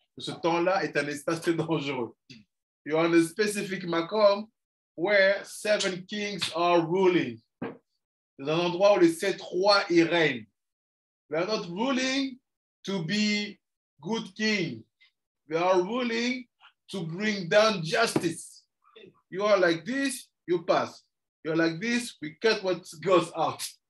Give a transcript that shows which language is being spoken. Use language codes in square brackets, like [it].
[fr] Ce temps-là est un espace très dangereux. [en] You're on a specific MaKom where seven kings are ruling. [fr] C'est un endroit où les sept rois y règnent. [en] They are not ruling to be good king. They are ruling to bring down justice. You are like this, you pass. You are like this, we cut what goes out.